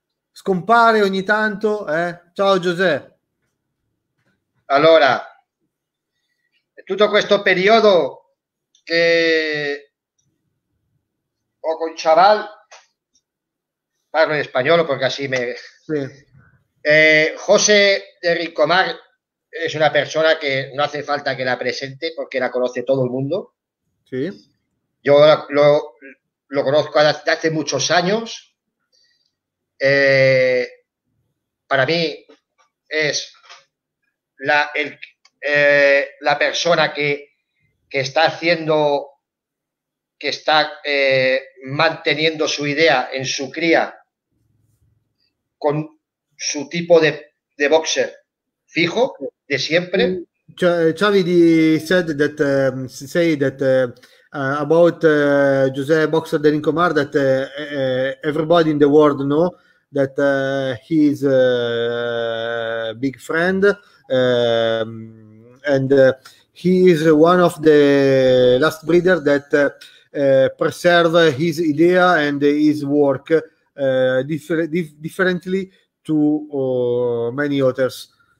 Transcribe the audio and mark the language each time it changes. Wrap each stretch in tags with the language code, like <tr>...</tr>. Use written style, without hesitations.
<it>Scompare ogni tanto. Ciao Giuseppe. Allora, tutto questo periodo che ho con Chaval, parlo in spagnolo perché</it> <es>así me... Sí. José de Rincomar es una persona que no hace falta que la presente porque la conoce todo el mundo. Sí. Yo lo conozco desde hace muchos años. Para mí es la persona que está haciendo, que está manteniendo su idea en su cría con su tipo de boxer fijo de siempre.</es> <en>Xavi said that say that about José Boxer de Rincomar that everybody in the world know that he is a big friend and he is one of the last breeder that preserve his idea and his work differently to many others.</en>